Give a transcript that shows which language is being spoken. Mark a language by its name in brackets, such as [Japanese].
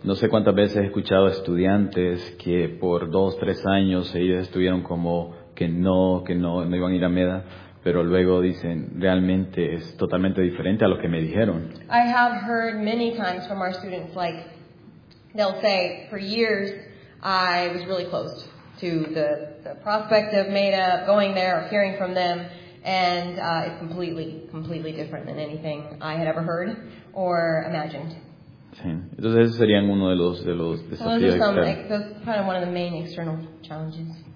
[Spanish] No sé cuántas veces he escuchado estudiantes que por 2-3 años ellos estuvieron como que no iban a ir a MENA, pero luego dicen realmente es totalmente diferente a lo que me dijeron. [English] I have heard many times from our students, like they'll say, for years I was really closed to the prospect of MENA, going there or hearing from them, and it's completely different than anything I had ever heard or imagined. [Spanish] Sí. Entonces esos serían uno de los desafíos externos. [English] So those are kind of one of the main external challenges.